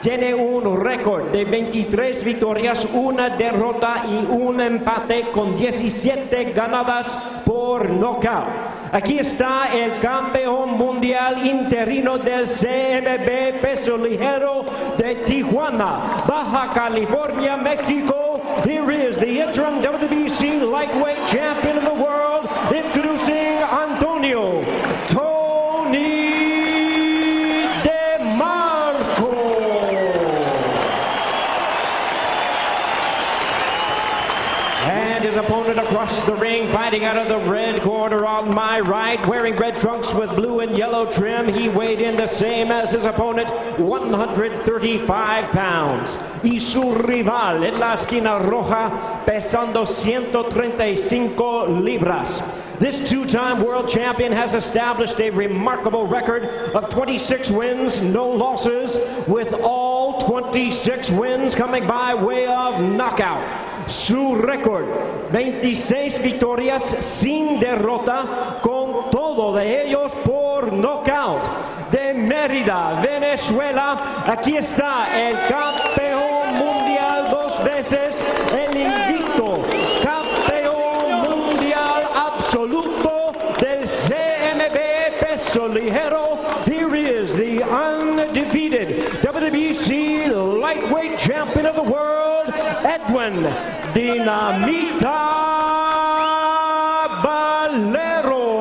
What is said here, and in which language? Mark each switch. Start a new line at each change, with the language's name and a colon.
Spanish: Tiene un récord de 23 victorias, una derrota y un empate con 17 ganadas por knockout. Aquí está el campeón mundial interino del CMB peso ligero de Tijuana, Baja California, México.
English: Here is the interim WBC lightweight champion of the world, introducing Antonio Tony DeMarco. And his opponent across the ring, fighting out of the red corner on my right, wearing red trunks with blue and yellow trim, he weighed in the same as his opponent, 135 pounds.
Spanish: Y su rival en la esquina roja, pesando 135 libras.
English: This two-time world champion has established a remarkable record of 26 wins, no losses, with all 26 wins coming by way of knockout.
Spanish: Su record, 26 victorias sin derrota, con todo de ellos por knockout. De Mérida, Venezuela, aquí está el campeón mundial dos veces, el invicto campeón mundial absoluto del CMB peso ligero.
English: Here is the undefeated WBC lightweight champion of the world, Edwin Dinamita Valero.